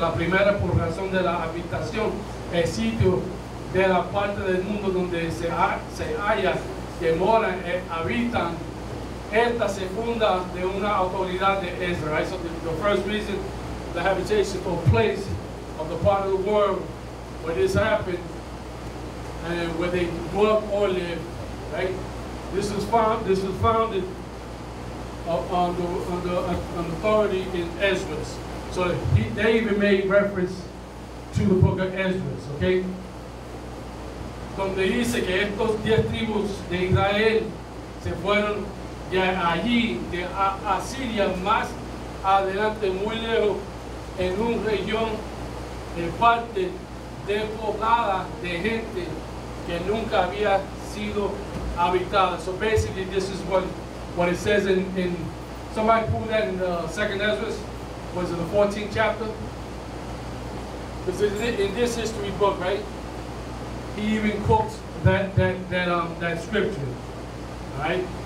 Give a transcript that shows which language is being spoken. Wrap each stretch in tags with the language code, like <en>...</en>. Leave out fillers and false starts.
<es>La primera por razón de la habitación, el sitio de la parte del mundo donde se halla, que moran, habitan. Esta segunda de una autoridad de Israel.</es> <en>Right? So the first reason, the habitation or place of the part of the world where this happened and where they work or live, right? This was founded on the authority in Ezra. So they even made reference to the book of Ezra, okay?</en> <es>Donde dice que estos 10 tribus de Israel se fueron de allí, de Asiria, más adelante, muy lejos, en un región de parte despoblada de gente que nunca había sido habitada.</es> <en>So basically, this is what it says in somebody pull that in the second Ezra, was it the 14th chapter? This is in this history book, right? He even quotes that scripture, right?</en>